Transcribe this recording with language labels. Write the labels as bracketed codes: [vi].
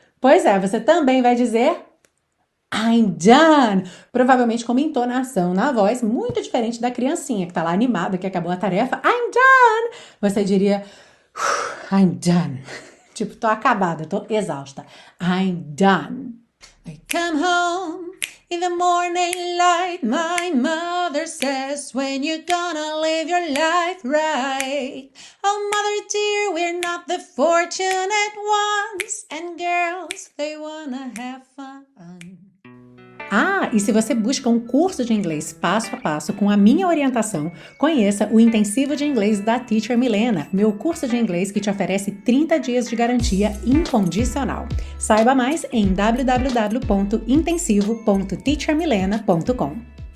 [pt] Pois é, você também vai dizer [en] I'm done, [pt] provavelmente com uma entonação na voz muito diferente da criancinha que está lá animada, que acabou a tarefa, I'm done, você diria I'm done, tipo, estou acabada, estou exausta, I'm done. [en] I come home. In the morning light, my mother says, when you gonna live your life right? Oh, mother dear, we're not the fortunate ones, and girls, they wanna have fun. [pt] Ah, e se você busca um curso de inglês passo a passo com a minha orientação, conheça o Intensivo de Inglês da Teacher Milena, meu curso de inglês que te oferece 30 dias de garantia incondicional. Saiba mais em www.intensivo.teachermilena.com.